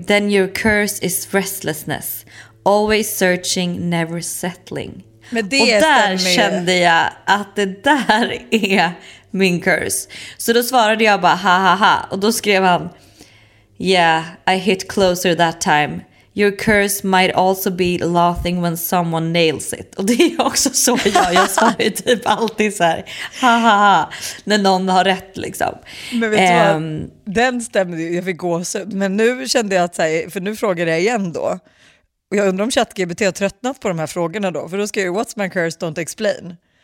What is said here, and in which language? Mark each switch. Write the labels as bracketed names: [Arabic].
[English] Then your curse is restlessness, always searching, never settling. [Swedish] Men det och där Kände jag att det där är min curse. Så då svarade jag bara ha. Och då skrev han, [English] yeah, I hit closer that time. Your curse might also be laughing when someone nails it. [Swedish] Och det är också så jag svarar typ alltid så här, ha. När någon har rätt liksom. Men vet du vad, den stämde ju, jag fick gåsut. Men nu kände jag att, så här, för nu frågar jag igen då. Och jag undrar om ChatGPT har tröttnat på de här frågorna då. För då skrev jag, [English] what's my curse, don't explain.